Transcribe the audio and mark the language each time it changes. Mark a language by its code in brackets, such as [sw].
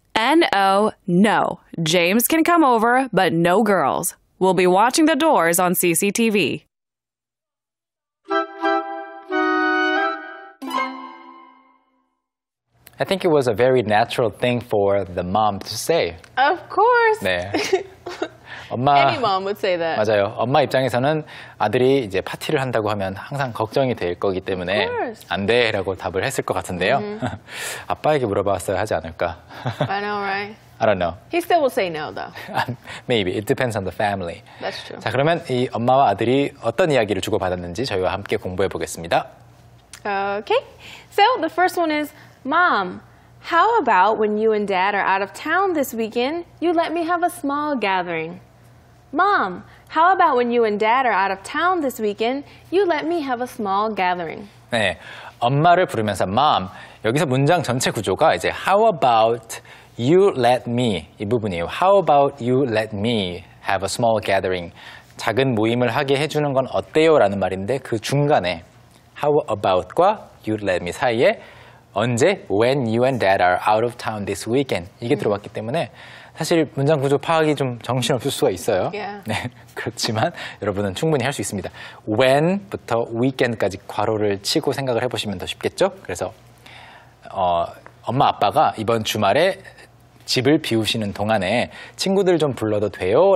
[en] N-O, no. James can come over, but no girls. We'll be watching the doors on CCTV. I think it was a very natural thing for the mom to say. Of course. [ko] 네. 엄마, [en] Any mom would say that. [ko] 맞아요. 엄마 입장에서는 아들이 이제 파티를 한다고 하면 항상 걱정이 될 거기 때문에 안 돼 라고 답을 했을 것 같은데요. Mm-hmm. 아빠에게 물어봤어야 하지 않을까. [en] I know, right? I don't know. He still will say no, though. Maybe. It depends on the family. That's true. [ko] 자, 그러면 이 엄마와 아들이 어떤 이야기를 주고받았는지 저희와 함께 공부해 보겠습니다. [en] Okay. So the first one is, Mom, How about when you and Dad are out of town this weekend, you let me have a small gathering? Mom, how about when you and Dad are out of town this weekend, you let me have a small gathering? [ko] 네, 엄마를 부르면서 Mom, 여기서 문장 전체 구조가 이제 [en] How about you let me [ko] 이 부분이에요. [en] How about you let me have a small gathering? [ko] 작은 모임을 하게 해주는 건 어때요? 라는 말인데 그 중간에 [en] How about [ko] 과 [en] you let me [ko] 사이에 언제? [en] When you and Dad are out of town this weekend. [ko] 이게 들어왔기 때문에 사실 문장 구조 파악이 좀 정신없을 수가 있어요. Yeah. 네, 그렇지만 여러분은 충분히 할 수 있습니다. When부터 weekend까지 괄호를 치고 생각을 해보시면 더 쉽겠죠? 그래서 엄마 아빠가 이번 주말에 집을 비우시는 동안에 친구들 좀 불러도 돼요?